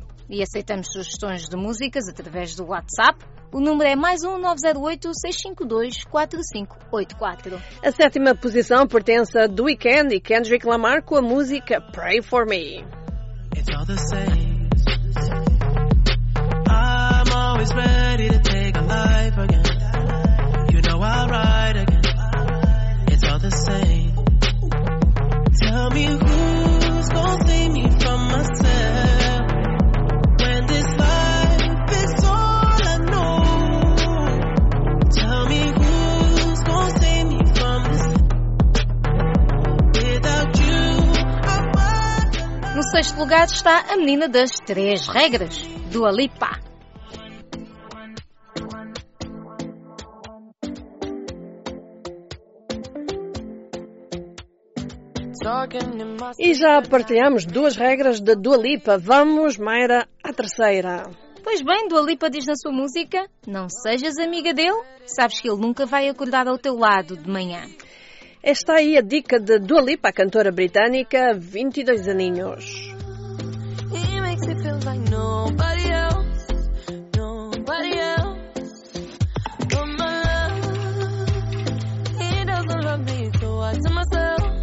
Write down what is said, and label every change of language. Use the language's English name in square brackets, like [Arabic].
[Portuguese] E aceitamos sugestões de músicas através do WhatsApp. O número é mais 1-908-652-4584. A sétima posição pertence a The Weeknd e Kendrick Lamar com a música Pray For Me. [English] It's all the same. Always ready to take a life again. You know I'll ride again. It's all the same. Tell me who's gonna save me from myself when this life is all I know. Tell me who's gonna save me from this. Without you, I find. [Portuguese] No sexto lugar está a menina das três regras, Dua Lipa. E já partilhamos duas regras da Dua Lipa. Vamos, Mayra, à terceira. Pois bem, Dua Lipa diz na sua música: não sejas amiga dele. Sabes que ele nunca vai acordar ao teu lado de manhã. Esta aí é a dica de Dua Lipa, a cantora britânica, 22 aninhos. [English] He makes it feel like nobody else. Nobody else. Oh my love. He doesn't love me, so I tell myself.